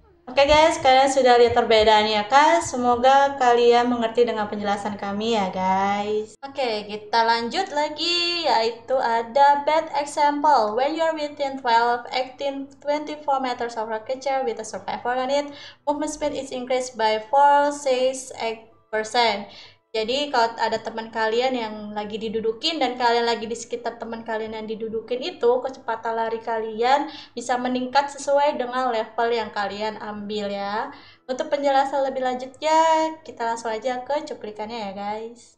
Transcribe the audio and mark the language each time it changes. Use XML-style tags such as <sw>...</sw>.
<id>Oke guys, kalian sudah lihat perbedaannya kan? Semoga kalian mengerti dengan penjelasan kami ya guys. Oke, kita lanjut lagi, yaitu ada bad example.</id> <en>When you are within 12, 18, 24 meters of a creature with a survivor on it, movement speed is increased by 4-6%.</en> <id>Jadi kalau ada teman kalian yang lagi didudukin dan kalian lagi di sekitar teman kalian yang didudukin itu, kecepatan lari kalian bisa meningkat sesuai dengan level yang kalian ambil ya. Untuk penjelasan lebih lanjutnya, kita langsung aja ke cuplikannya ya guys.</id>